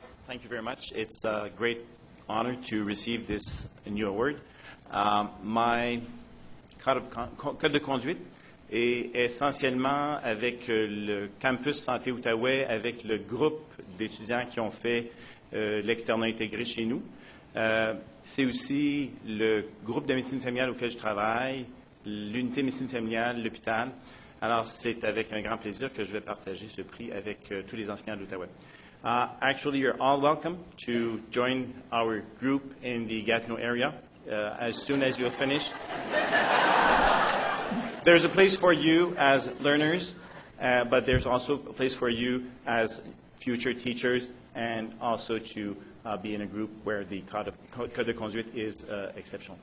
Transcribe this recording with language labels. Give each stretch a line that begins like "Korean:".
English: It's a great honor to receive this new award.
French: My code de conduite est essentiellement avec le campus Santé Outaouais, avec le groupe d'étudiants qui ont fait l'externat intégré chez nous. C'est aussi le groupe de médecine familiale auquel je travaille, l'unité de médecine familiale, l'hôpital. Alors, c'est avec un grand plaisir que je vais partager ce prix avec tous les enseignants d'Outaouais.
English: Actually, you're all welcome to join our group in the Gatineau area as soon as you're finished. There's a place for you as learners, but there's also a place for you as future teachers and also to be in a group where the code de conduite is exceptional.